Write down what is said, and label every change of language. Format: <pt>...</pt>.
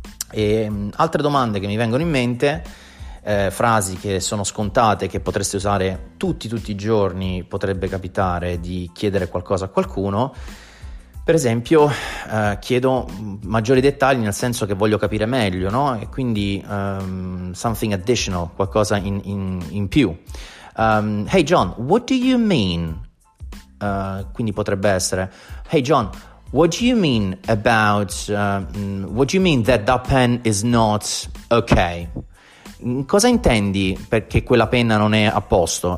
<it>E altre domande che mi vengono in mente, frasi che sono scontate, che potreste usare tutti i giorni, potrebbe capitare di chiedere qualcosa a qualcuno. Per esempio, chiedo maggiori dettagli, nel senso che voglio capire meglio, no? E quindi</it> <en>something additional,</en> <it>qualcosa in più.</it> <en>Hey John, what do you mean?</en> <it>Quindi potrebbe essere:</it> <en>hey John, what do you mean about what do you mean that pen is not okay?</en> <it>Cosa intendi perché quella penna non è a posto?</it>